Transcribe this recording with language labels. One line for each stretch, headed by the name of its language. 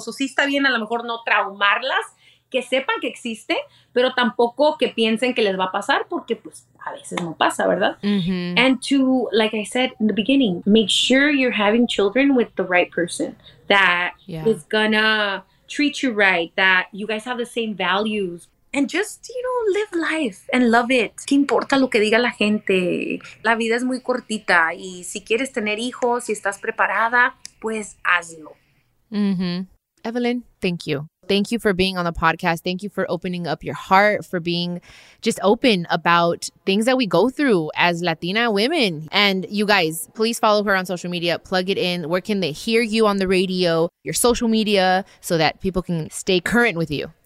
Spanish: So sí está bien a lo mejor no traumarlas, que sepan que existe, pero tampoco que piensen que les va a pasar porque pues, a veces no pasa, ¿verdad? Mm-hmm.
English: And to, like I said in the beginning, make sure you're having children with the right person that is gonna treat you right, that you guys have the same values. And just, you know, live life and love it.
Spanish: ¿Qué importa lo que diga la gente? La vida es muy cortita. Y si quieres tener hijos, si estás preparada, pues hazlo.
English: Mm-hmm. Evelyn, thank you. Thank you for being on the podcast. Thank you for opening up your heart, for being just open about things that we go through as Latina women. And you guys, please follow her on social media. Plug it in. Where can they hear you on the radio, your social media, so that people can stay current with you?